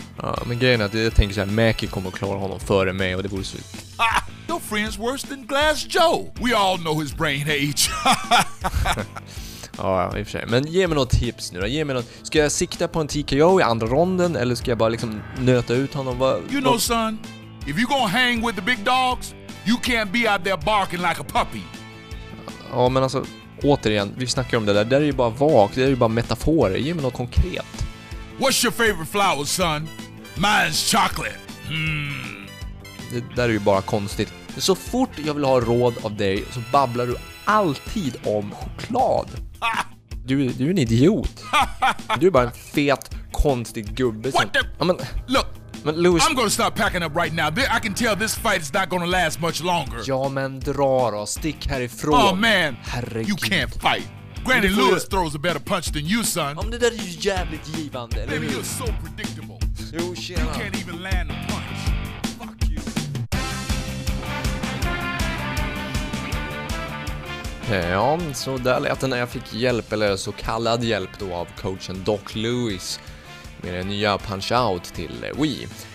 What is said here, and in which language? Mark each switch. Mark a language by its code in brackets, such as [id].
[sv] Ja, men grejen är att jag tänker så här, Mackie kommer att klara honom före mig och det borde så. [en] Your friend's worse than Glass Joe. We all know his brain age. [sv] Ja, i och för sig. Men ge mig något tips nu då. Ge mig något. Ska jag sikta på en TKO i andra ronden eller ska jag bara liksom nöta ut honom? [en] You know, son, if you gonna hang with the big dogs, you can't be out there barking like a puppy. [sv] Ja, men alltså, återigen, vi snackar om det där. Det är ju bara vak, det är ju bara metaforer. Ge mig något konkret. [en] What's your favorite flower, son? Mine's chocolate. [sv] Det där är ju bara konstigt. Så fort jag vill ha råd av dig så babblar du alltid om choklad. Du är en idiot. Du är bara en fet konstig gubbe. [en] What the? Ja, [sv] men, [en] look. [sv] Men Louis, [en] I'm gonna start packing up right now. I can tell this fight is not gonna last much longer. [sv] Ja, men dra då. Stick härifrån. [en] Oh man. [sv] Herregud. [en] You can't fight. Granny Lewis throws a better punch than you, son. [sv] Om det där är ju jävligt givande. [en] Baby, you're so predictable. [sv] Jo, [en] you can't even land a punch. [sv] Ja, så där lät det när jag fick hjälp, eller så kallad hjälp då, av coachen Doc Lewis med den nya Punch-Out till Wii.